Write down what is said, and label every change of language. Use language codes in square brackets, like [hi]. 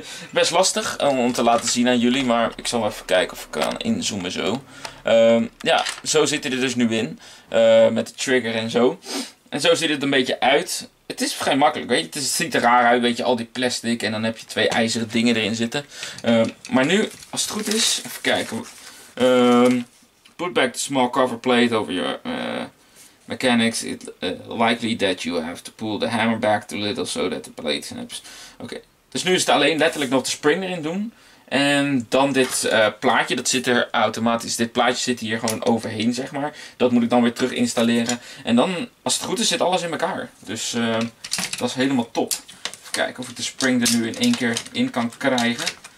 [nl] Best lastig om te laten zien aan jullie. Maar ik zal even kijken of ik kan inzoomen zo. Ja, zo zit hij er dus nu in. Met de trigger en zo. En zo ziet het een beetje uit. Het is vrij makkelijk, weet je. Het ziet er raar uit, weet je. Al die plastic en dan heb je twee ijzeren dingen erin zitten. Maar nu, als het goed is, even kijken. [en] Put back the small cover plate over your mechanics. It's likely that you have to pull the hammer back too little so that the plate snaps. [nl] Oké. Dus nu is het alleen letterlijk nog de spring erin doen. En dan dit plaatje, dat zit er automatisch. Dit plaatje zit hier gewoon overheen, zeg maar. Dat moet ik dan weer terug installeren. En dan, als het goed is, zit alles in elkaar. Dus dat is helemaal top. Even kijken of ik de spring er nu in één keer in kan krijgen.